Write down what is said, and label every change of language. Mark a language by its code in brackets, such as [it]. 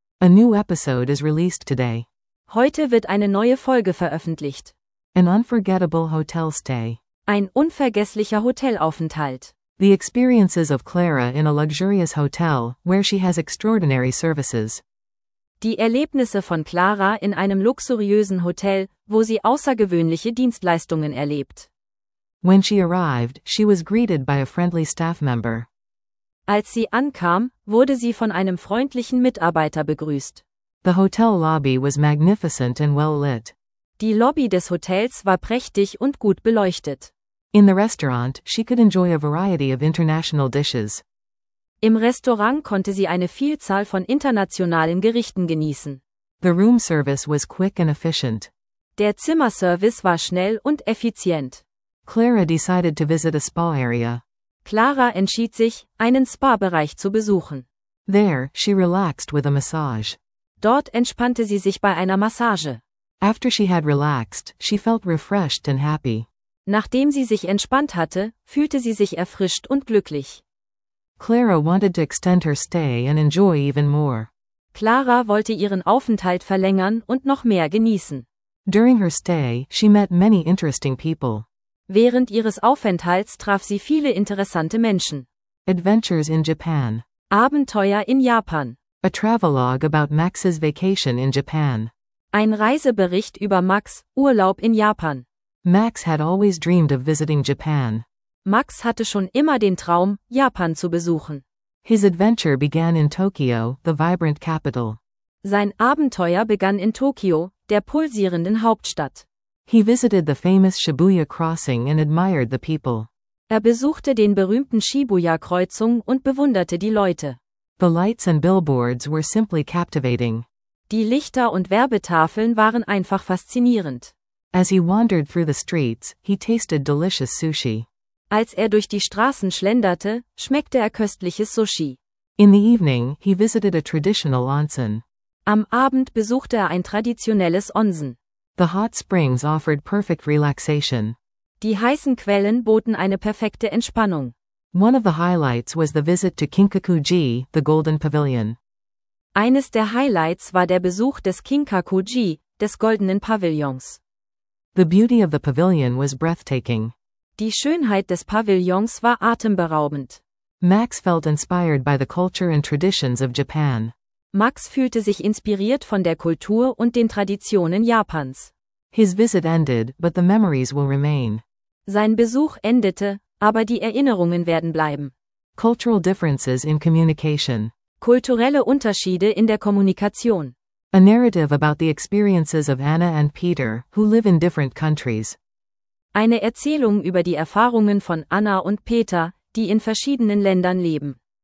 [en] A new episode is released today. [de] Heute wird eine neue Folge veröffentlicht. [en] An unforgettable hotel stay. [de] Ein unvergesslicher Hotelaufenthalt. [en] The experiences of Clara in a luxurious hotel, where she has extraordinary services. [de] Die Erlebnisse von Clara in einem luxuriösen Hotel, wo sie außergewöhnliche Dienstleistungen erlebt. [en] When she arrived, she was greeted by a friendly staff member. [de] Als sie ankam, wurde sie von einem freundlichen Mitarbeiter begrüßt. [en] The hotel lobby was magnificent and well lit. [de] Die Lobby des Hotels war prächtig und gut beleuchtet. [en] In the restaurant, she could enjoy a variety of international dishes. [de] Im Restaurant konnte sie eine Vielzahl von internationalen Gerichten genießen. [en] The room service was quick and efficient. [de] Der Zimmerservice war schnell und effizient. [en] Clara decided to visit a spa area. [de] Clara entschied sich, einen Spa-Bereich zu besuchen. [en] There, she relaxed with a massage. [de] Dort entspannte sie sich bei einer Massage. [en] After she had relaxed, she felt refreshed and happy. [de] Nachdem sie sich entspannt hatte, fühlte sie sich erfrischt und glücklich. [en] Clara wanted to extend her stay and enjoy even more. [de] Clara wollte ihren Aufenthalt verlängern und noch mehr genießen. [en] During her stay, she met many interesting people. [de] Während ihres Aufenthalts traf sie viele interessante Menschen. [en] Adventures in Japan. [de] Abenteuer in Japan. [en] A travelogue about Max's vacation in Japan. [de] Ein Reisebericht über Max, Urlaub in Japan. [en] Max had always dreamed of visiting Japan. [de] Max hatte schon immer den Traum, Japan zu besuchen. [en] His adventure began in Tokyo, the vibrant capital. [de] Sein Abenteuer begann in Tokio, der pulsierenden Hauptstadt. [en] He visited the famous Shibuya Crossing and admired the people. [de] Er besuchte den berühmten Shibuya-Kreuzung und bewunderte die Leute. [en] The lights and billboards were simply captivating. [de] Die Lichter und Werbetafeln waren einfach faszinierend. [en] As he wandered through the streets, he tasted delicious sushi. [de] Als er durch die Straßen schlenderte, schmeckte er köstliches Sushi. [en] In the evening, he visited a traditional onsen. [de] Am Abend besuchte er ein traditionelles Onsen. [en] The hot springs offered perfect relaxation. [de] Die heißen Quellen boten eine perfekte Entspannung. [en] One of the highlights was the visit to Kinkaku-ji, the Golden Pavilion. [de] Eines der Highlights war der Besuch des Kinkaku-ji, des Goldenen Pavillons. [en] The beauty of the pavilion was breathtaking. [de] Die Schönheit des Pavillons war atemberaubend. [en] Max felt inspired by the culture and traditions of Japan. [de] Max fühlte sich inspiriert von der Kultur und den Traditionen Japans. [en] His visit ended, but the memories will remain. [de] Sein Besuch endete, aber die Erinnerungen werden bleiben. [en] Cultural differences in communication. [de] Kulturelle Unterschiede in der Kommunikation. [en] A narrative about the experiences of Anna and Peter, who live in different countries. [de] Eine Erzählung über die Erfahrungen von Anna und Peter, die in verschiedenen Ländern leben.